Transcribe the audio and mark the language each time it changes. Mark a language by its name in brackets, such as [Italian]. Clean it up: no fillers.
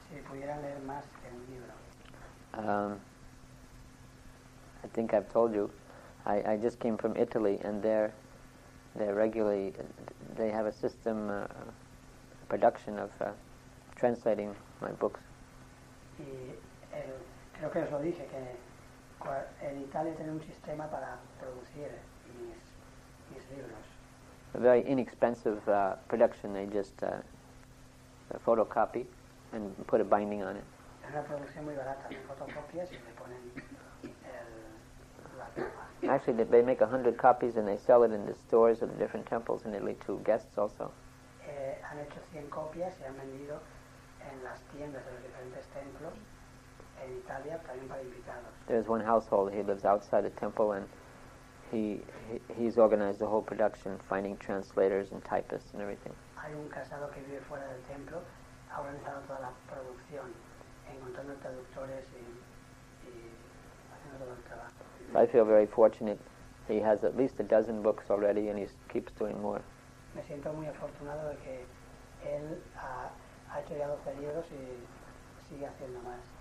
[Spanish] Si pudieran leer más que un libro. [English] I think I've told you, I just came from Italy, and there, they have a system, production of translating my books. [Spanish] Y el, creo que os lo dije que en Italia tiene un sistema para producir mis libros. [English] A very inexpensive production. They just photocopy and put a binding on it. [Spanish] Es una producción muy barata. Me fotocopias y me ponen. [English] Actually, they make 100 copies and they sell it in the stores of the different temples in Italy to guests also. [Spanish] Han hecho 100 copias y han vendido en las tiendas de los diferentes templos en Italia también para invitados. [English] There's one household, he lives outside the temple, and he's organized the whole production, finding translators and typists and everything. [Spanish] Hay un casado que vive fuera del templo, ha organizado toda la producción, encontrando traductores y haciendo todo el trabajo. [English] I feel very fortunate. He has at least a dozen books already, and he keeps doing more. [Spanish] Me siento muy afortunado de que él ha hecho ya 12 libros y sigue haciendo más.